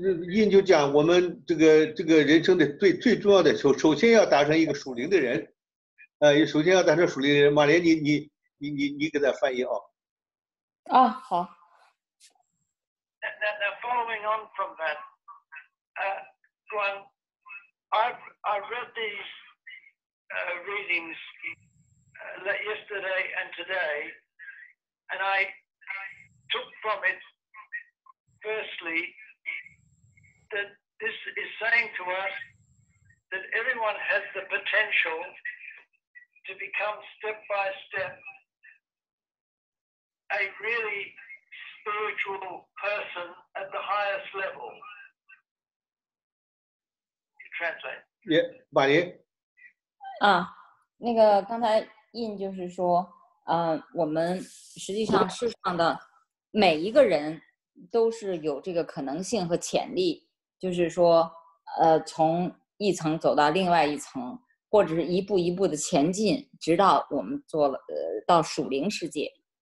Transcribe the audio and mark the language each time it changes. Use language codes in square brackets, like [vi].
[zh] 印就讲我们这个人生的最重要的首先要达成一个属灵的人。首先要达成属灵的人。马莲，你给他翻译哦。啊，好。 [en] Now, following on from that, Guan, I read these readings yesterday and today, and I took from it, firstly, that this is saying to us that everyone has the potential to become step by step a really spiritual person at the highest level. Translate. Yeah, 马林。 [zh] 啊，那个刚才印就是说，我们实际上世上的每一个人都是有这个可能性和潜力，就是说，从一层走到另外一层，或者是一步一步的前进，直到我们做了到属灵世界。